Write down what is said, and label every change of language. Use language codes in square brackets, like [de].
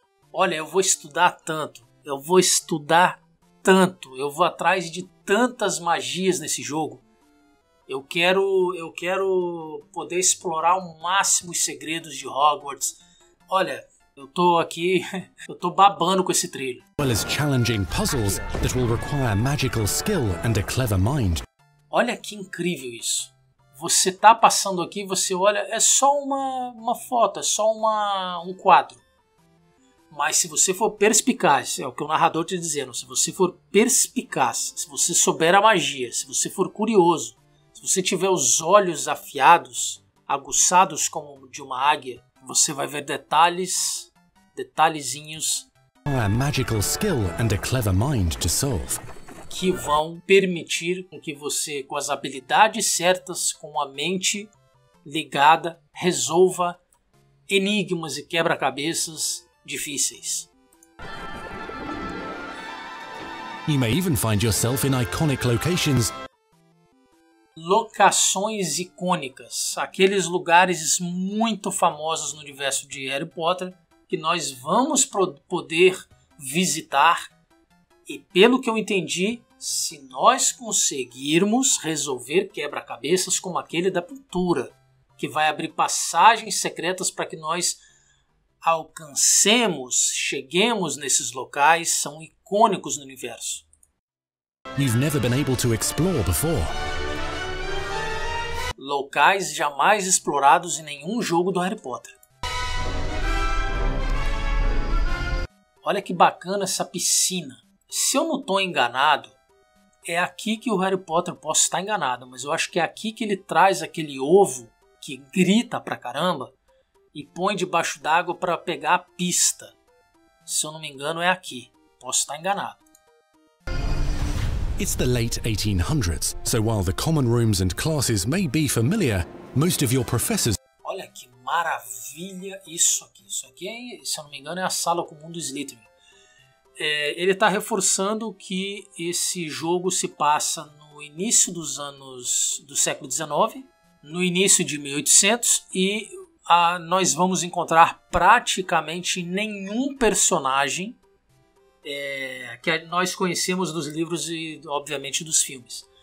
[pt] Olha, eu vou estudar tanto, eu vou atrás de tantas magias nesse jogo. Eu quero poder explorar ao máximo os segredos de Hogwarts. Olha, eu tô babando com esse trilho. [en] Well, as challenging puzzles that will require magical skill and a clever mind. [pt] Olha que incrível isso. Você tá passando aqui, você olha, é só uma foto, é só um quadro. Mas se você for perspicaz, é o que o narrador te dizendo, se você for perspicaz, se você souber a magia, se você for curioso, se você tiver os olhos afiados, aguçados como de uma águia, você vai ver detalhezinhos. [en] A magical skill and a clever mind to solve. [pt] Que vão permitir que você, com as habilidades certas, com a mente ligada, resolva enigmas e quebra-cabeças difíceis. [en] You may even find yourself in iconic locations. [pt] Locações icônicas, aqueles lugares muito famosos no universo de Harry Potter que nós vamos poder visitar e, pelo que eu entendi, se nós conseguirmos resolver quebra-cabeças como aquele da pintura, que vai abrir passagens secretas para que nós alcancemos, cheguemos nesses locais, são icônicos no universo. [en] You've never been able to explore before. [pt] Locais jamais explorados em nenhum jogo do Harry Potter. Olha que bacana essa piscina. Se eu não estou enganado, é aqui que o Harry Potter, posso estar enganado, mas eu acho que é aqui que ele traz aquele ovo que grita pra caramba e põe debaixo d'água para pegar a pista. Se eu não me engano, é aqui. Posso estar enganado. [en] It's the late 1800s, so while the common rooms and classes may be familiar, most of your professors... [pt] Olha que maravilha isso aqui. Isso aqui, se eu não me engano, é a sala comum do Slytherin. É, ele está reforçando que esse jogo se passa no início dos anos do século XIX, no início de 1800, e nós vamos encontrar praticamente nenhum personagem que nós conhecemos dos livros e, obviamente, dos filmes.